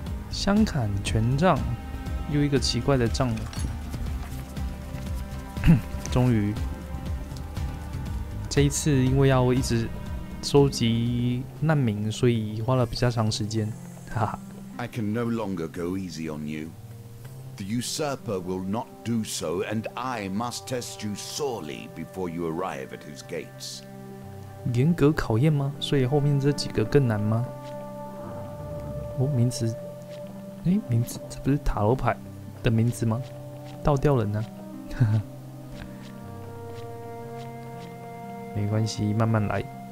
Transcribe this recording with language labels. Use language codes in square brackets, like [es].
[zh] 香坎权杖，又一个奇怪的杖了。终于，这一次因为要一直收集难民，所以花了比较长时间。哈哈。 [en] I can no longer go easy on you. The usurper will not do so, and I must test you sorely before you arrive at his gates. [zh] 严格考验吗？所以后面这几个更难吗？哦，名词。哎，名字，这不是塔罗牌的名字吗？倒掉人呢、啊，没关系，慢慢来。